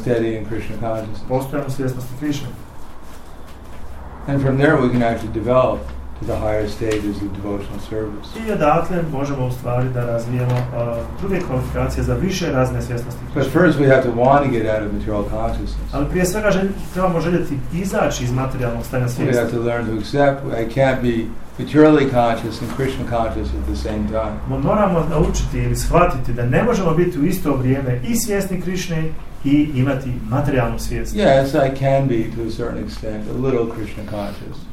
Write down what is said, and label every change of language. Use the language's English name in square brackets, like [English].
[English] Steady in Krishna consciousness. [Bosnian] Postojano svjesnosti Krishna. [English] And from there we can actually develop to the higher stages of devotional service. [Bosnian] I odatle možemo u stvari da razvijemo druge kvalifikacije za više razne svjesnosti Krishna. [English] But first we have to want to get out of material consciousness. [Bosnian] Ali prije svega trebamo željeti izaći iz materijalnog stanja svijesti. [English] We have to learn to accept I can't be materially conscious and Krishna conscious at the same time. [Bosnian] Moramo naučiti ili shvatiti da ne možemo biti u isto vrijeme i svjesni Krishne i imati materijalnu svijest. [English] Yes, I can be to a certain extent a little Krishna conscious.